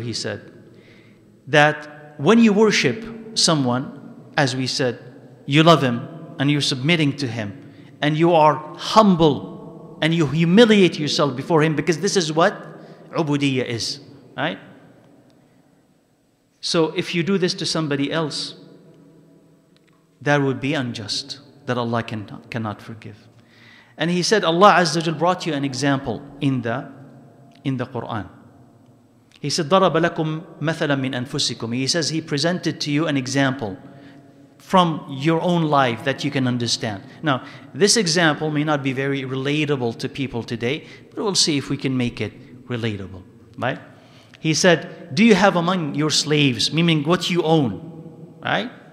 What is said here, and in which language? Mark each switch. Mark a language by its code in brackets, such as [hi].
[en] He said that when you worship someone, as we said, you love him and you're submitting to him, and you are humble and you humiliate yourself before him, because this is what ubudiyya is, right? So if you do this to somebody else, that would be unjust, that Allah cannot forgive. And he said, Allah Azza wa Jal brought you an example in the Quran. He said, [ar] ضَرَبَ لَكُمْ مَثَلًا مِّنْ أَنفُسِكُمْ. [en] He says he presented to you an example from your own life that you can understand. Now, this example may not be very relatable to people today, but we'll see if we can make it relatable, right? He said, do you have among your slaves, meaning what you own, right?